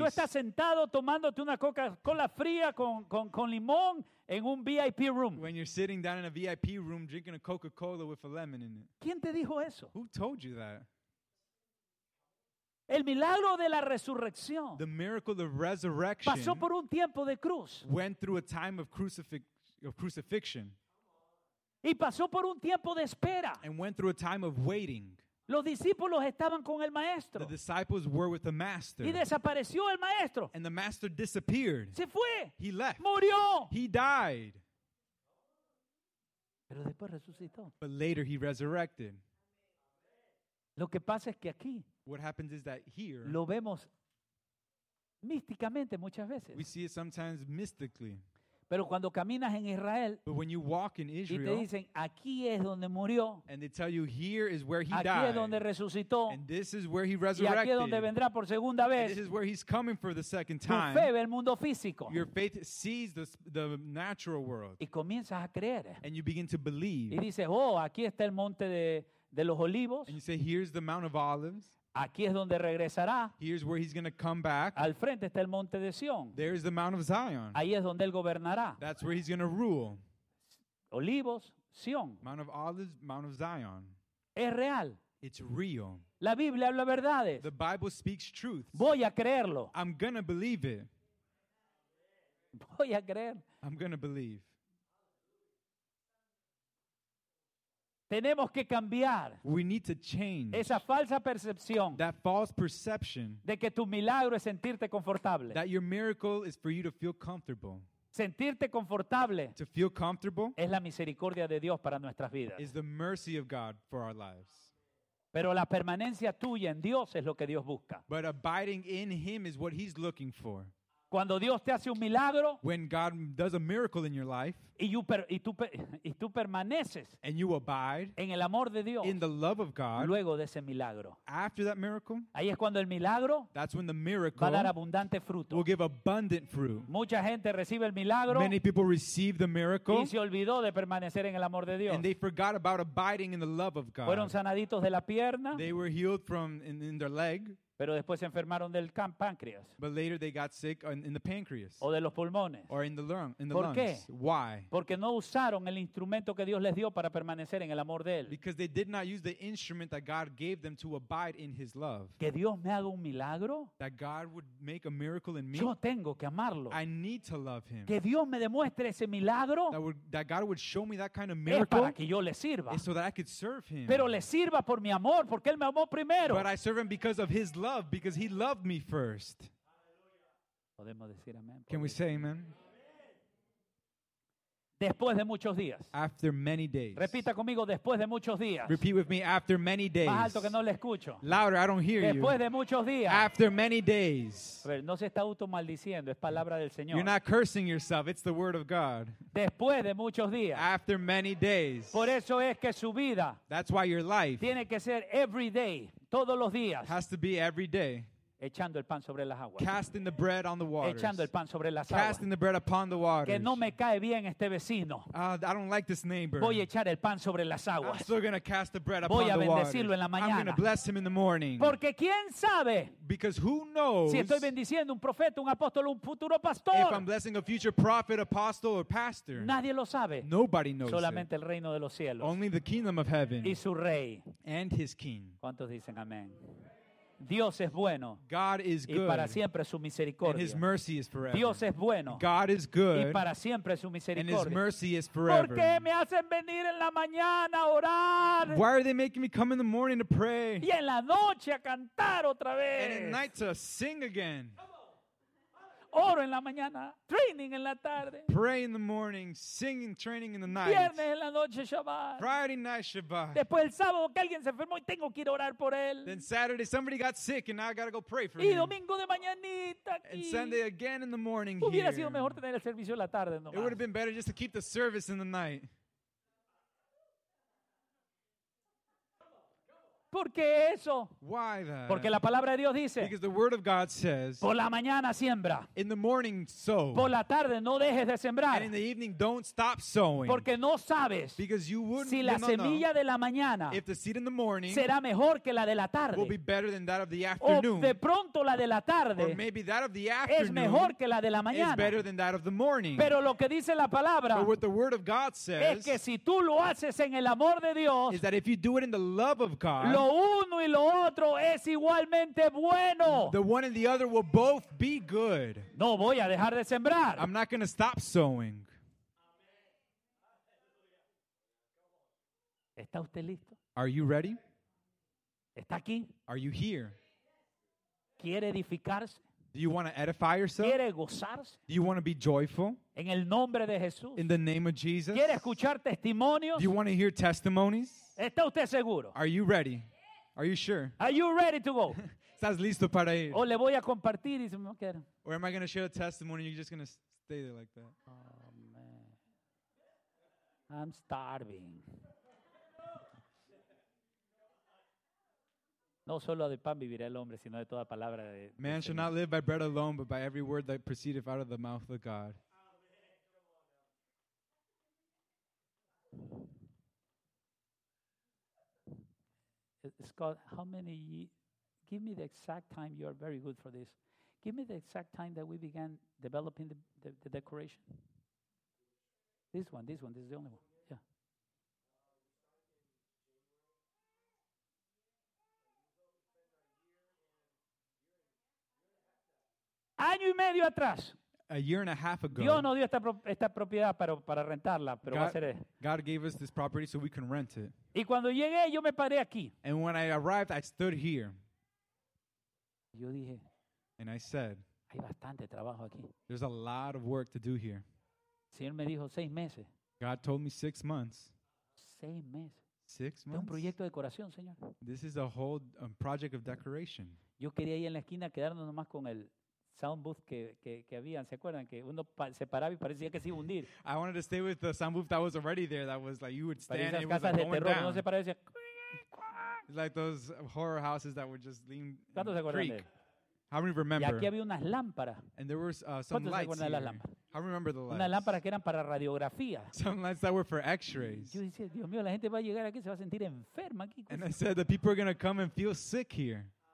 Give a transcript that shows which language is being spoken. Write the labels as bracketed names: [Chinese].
[Spanish] Tú estás sentado tomándote una Coca-Cola fría con limón en un VIP room. [English] When you're sitting down in a VIP room drinking a Coca-Cola with a lemon in it. [Spanish] ¿Quién te dijo eso? [English] Who told you that? [Spanish] El milagro de la resurrección. [English] The miracle of resurrection. [Spanish] Pasó por un tiempo de cruz. [English] Went through a time of crucifixion. [Spanish] Y pasó por un tiempo de espera. [English] And went through a time of waiting. [Spanish] Los discípulos estaban con el maestro. [English] The disciples were with the master. [Spanish] Y desapareció el maestro. [English] And the master disappeared. [Spanish] Se fue. [English] He left. [Spanish] Murió. [English] He died. [Spanish] Pero después resucitó. [English] But later he resurrected. [Spanish] Lo que pasa es que aquí. [English] What happens is that here. [Spanish] Lo vemos místicamente muchas veces. [English] We see it sometimes mystically. [Spanish] Pero cuando caminas en Israel, [English] but when you walk in Israel, [Spanish] y te dicen aquí es donde murió, [English] and they tell you here is where he [Spanish] aquí [English] died, [Spanish] aquí es donde resucitó, [English] and this is where he resurrected, [Spanish] y aquí es donde vendrá por segunda vez, [English] and this is where he's coming for the second time, [Spanish] tu fe ve el mundo físico, [English] your faith sees the natural world, [Spanish] y comienzas a creer, [English] and you begin to believe, [Spanish] y dices oh aquí está el monte de los olivos, [English] and you say here's the Mount of Olives. [Spanish] Aquí es donde regresará. [English] Here's where he's going to come back. [Spanish] Al frente está el monte de Sion. [English] There is the Mount of Zion. [Spanish] Ahí es donde él gobernará. [English] That's where he's going to rule. [Spanish] Olivos, Sion. [English] Mount of Olives, Mount of Zion. [Spanish] Es real. [English] It's real. [Spanish] La Biblia habla verdades. [English] The Bible speaks truth. [Spanish] Voy a creerlo. [English] I'm going to believe it. [Spanish] Voy a creer. [English] I'm going to believe. [Spanish] Tenemos que cambiar. [English] We need to change [Spanish] esa falsa percepción. [English] That false perception. [Spanish] De que tu milagro es sentirte confortable. [English] That your miracle is for you to feel comfortable. [Spanish] Sentirte confortable. [English] To feel comfortable. [Spanish] Es la misericordia de Dios para nuestras vidas. [English] Is the mercy of God for our lives. [Spanish] Pero la permanencia tuya en Dios es lo que Dios busca. [English] But abiding in Him is what He's looking for. [Spanish] Cuando Dios te hace un milagro, [English] when God does a miracle in your life, [Spanish] y tú permaneces, [English] and you abide, [Spanish] en el amor de Dios, [English] in the love of God, [Spanish] luego de ese milagro, [English] after that miracle, [Spanish] ahí es cuando el milagro, [English] that's when the miracle, [Spanish] va a dar abundante fruto, [English] will give abundant fruit. [Spanish] Mucha gente recibe el milagro, [English] many people receive the miracle, [Spanish] y se olvidó de permanecer en el amor de Dios, [English] and they forgot about abiding in the love of God. [Spanish] Fueron sanaditos de la pierna, [English] they were healed from in their leg. [Spanish] Pero después se enfermaron del páncreas. [English] But later they got sick in the pancreas. [Spanish] O de los pulmones. [English] Or in the lung. In the [Spanish] ¿por [English] lungs. [Spanish] Qué? [English] Why? [Spanish] Porque no usaron el instrumento que Dios les dio para permanecer en el amor de él. [English] Because they did not use the instrument that God gave them to abide in His love. [Spanish] Que Dios me haga un milagro. [English] That God would make a miracle in me. [Spanish] Yo tengo que amarlo. [English] I need to love Him. [Spanish] Que Dios me demuestre ese milagro. [English] That God would show me that kind of miracle. [Spanish] Es para que yo le sirva. [English] So that I could serve Him. [Spanish] Pero le sirva por mi amor, porque él me amó primero. [English] But I serve Him because of His love. Because he loved me first. [Spanish] Podemos decir amén. [English] Can we say amen? [Spanish] Después de muchos días. [English] After many days. [Spanish] Repita conmigo después de muchos días. [English] Repeat with me after many days. [Spanish] Más alto que no le escucho. [English] Louder, I don't hear [Spanish] después [English] you. [Spanish] De muchos días. [English] After many days. [Spanish] A ver, no se está automaldiciendo, es palabra del Señor. [English] You're not cursing yourself, it's the word of God. [Spanish] Después de muchos días. [English] After many days. [Spanish] Por eso es que su vida. [English] That's why your life. [Spanish] Tiene que ser [English] every day. [Spanish] Todos los días. [English] Has to be every day. [Spanish] Echando el pan sobre las aguas. [English] Casting the bread on the waters. [Spanish] Echando el pan sobre las [English] casting [Spanish] aguas. [English] Casting the bread upon the waters. [Spanish] Que no me cae bien este vecino. [English] I don't like this neighbor. [Spanish] Voy a echar el pan sobre las aguas. [English] I'm still going to cast the bread [Spanish] voy [English] upon the waters. [Spanish] Voy a bendecirlo en la mañana. [English] I'm going to bless him in the morning. [Spanish] Porque quién sabe. [English] Because who knows. [Spanish] Si estoy bendiciendo un profeta, un apóstol, un futuro pastor. [English] If I'm blessing a future prophet, apostle, or pastor. [Spanish] Nadie lo sabe. [English] Nobody knows. [Spanish] Solamente [English] it. [Spanish] El reino de los cielos. [English] Only the kingdom of heaven. [Spanish] Y su rey. [English] And his king. [Spanish] ¿Cuántos dicen amén? Dios es bueno. [English] God is good. [Spanish] Y para siempre su misericordia. [English] And his mercy is forever. [Spanish] Dios es bueno. [English] God is good. [Spanish] Y para siempre su misericordia. [English] And his mercy is forever. [Spanish] ¿Por qué me hacen venir en la mañana a orar? [English] Why are they making me come in the morning to pray? [Spanish] Y en la noche a cantar otra vez. [English] And at night to sing again. [Spanish] Oro en la mañana, training en la tarde. [English] Pray in the morning, singing, training in the night. [Spanish] Viernes en la noche, Shabbat. [English] Friday night, Shabbat. [Spanish] Después el sábado que alguien se enfermó y tengo que ir a orar por él. [English] Then Saturday somebody got sick and now I got to go pray for him. [Spanish] Y domingo de mañanita aquí. [English] And Sunday again in the morning here. [Spanish] Hubiera sido mejor tener el servicio en la tarde, no. [English] It would have been better just to keep the service in the night. [Spanish] ¿Por qué eso? [English] Why that? [Spanish] Porque la palabra de Dios dice, [English] because the word of God says, [Spanish] por la mañana siembra. [English] In the morning sow. [Spanish] Por la tarde no dejes de sembrar. [English] And in the evening don't stop sowing. [Spanish] Porque no sabes, [English] because you wouldn't, [Spanish] si la semilla de la mañana, [English] if the seed in the morning, [Spanish] será mejor que la de la tarde. [English] Will be better than that of the afternoon. [Spanish] O de pronto la de la tarde, [English] or maybe that of the afternoon, [Spanish] es mejor que la de la mañana. [English] Is better than that of the morning. [Spanish] Pero lo que dice la palabra, [English] but what the word of God says, [Spanish] es que si tú lo haces en el amor de Dios, [English] is that if you do it in the love of God, [Spanish] lo uno y lo otro es igualmente bueno. [English] The one and the other will both be good. [Spanish] No voy a dejar de sembrar. [English] I'm not going to stop sowing. [Spanish] ¿Está usted listo? [English] Are you ready? [Spanish] ¿Está aquí? [English] Are you here? [Spanish] ¿Quiere edificarse? [English] Do you want to edify yourself? [Spanish] ¿Quiere gozarse? [English] Do you want to be joyful? [Spanish] En el nombre de Jesús. [English] In the name of Jesus. [Spanish] ¿Quiere escuchar testimonios? [English] Do you want to hear testimonies? [Spanish] ¿Está usted seguro? [English] Are you ready? Are you sure? Are you ready to go? [Spanish] ¿Estás listo para ir? O le voy a compartir y se me va a quedar. [English] Or am I going to share a testimony and you're just going to stay there like that? Oh, man. I'm starving. [Spanish] No solo de pan vivirá el hombre, sino de toda palabra de Dios. [English] Man shall not live by bread alone, but by every word that proceedeth out of the mouth of God. Scott, how many give me the exact time. You are very good for this. Give me the exact time that we began developing the decoration. This one, this is the only one. Yeah. [Spanish] Año y medio atrás. [English] A year and a half ago. [Spanish] Dios nos dio esta propiedad para rentarla, pero va a ser. [English] God gave us this property so we can rent it. [Spanish] Y cuando llegué, yo me paré aquí. [English] And when I arrived, I stood here. [Spanish] Yo dije, [English] and I said, [Spanish] hay bastante trabajo aquí. [English] There's a lot of work to do here. [Spanish] Señor me dijo, 6 meses. [English] God told me 6 months. [Spanish] 6 meses. [English] 6 months. [Spanish] Un proyecto de decoración, Señor. [English] This is a whole project of decoration. [Spanish] Yo quería ir en la esquina quedarnos nomás con el sound booth que habían, ¿se acuerdan? Que uno se paraba y parecía que se iba a hundir. [English] I wanted to stay with the sound booth that was already there, that was like you would stand and it was like going terror, down. [Spanish] No se paraba, decía, [English] it's like those horror houses that would just lean and [Spanish] se [English] creak. How many remember? [Spanish] Y aquí había unas lámparas. [English] And there were some lights [Spanish] se [English] here. [Spanish] Las lámparas? [English] How remember the lights? [Spanish] Unas lámparas que eran para radiografía. [English] Some lights that were for x-rays. [Spanish] Yo decía, Dios mío, la gente va a llegar aquí, se va a sentir enferma aquí. [English] And I said, the people are going to come and feel sick here.